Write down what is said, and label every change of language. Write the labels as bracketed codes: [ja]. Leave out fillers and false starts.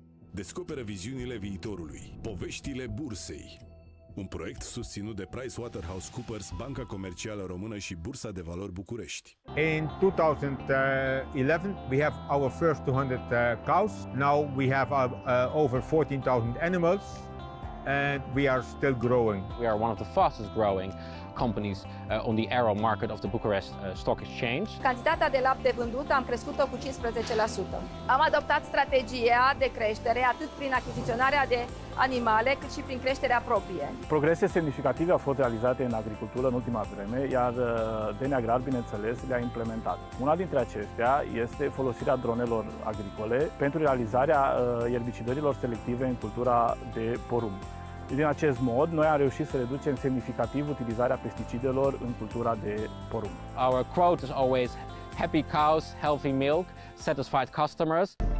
[ro] Descoperă viziunile viitorului. Poveștile Bursei. Un proiect susținut de PricewaterhouseCoopers, Banca Comercială Română și Bursa de Valori București. [en] In 2011, we have our first 200 cows. Now we have over 14,000 animals and we are still growing. We are one of the fastest growing companies on the aero market of the Bucharest Stock Exchange. [ro] Cantitatea de lapte vândută am crescut-o cu 15%. Am adoptat strategia de creștere atât prin achiziționarea de animale, cât și prin creșterea proprie. Progrese semnificative au fost realizate în agricultură în ultima vreme, iar DNA Agrar, bineînțeles, le-a implementat. Una dintre acestea este folosirea dronelor agricole pentru realizarea erbicidărilor selective în cultura de porumb. Din acest mod, noi am reușit să reducem semnificativ utilizarea pesticidelor în cultura de porumb. [en] Our quote is always happy cows, healthy milk, satisfied customers.